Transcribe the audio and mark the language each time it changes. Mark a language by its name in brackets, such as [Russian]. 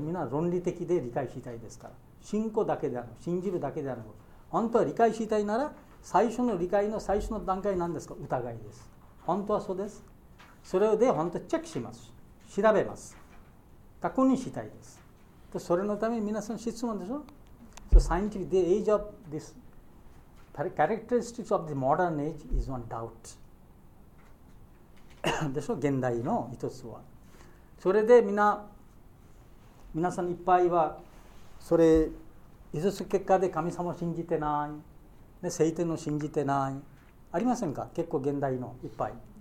[Japanese] 皆論理的で理解したいですから、信仰だけではなく信じるだけではなく、本当は理解したいなら最初の理解の最初の段階なんですか？疑いです。本当はそうです。それで本当にチェックします。調べます。確認したいです。でそれのために皆さん質問でしょ。 [English] So, scientific, the age of this characteristics of the modern age is one doubt. [Japanese] でしょ、現代の一つは。それで皆さんいっぱいは、それ、一つ結果で神様を信じてない、で聖典を信じてない。ありませんか？結構現代のいっぱい。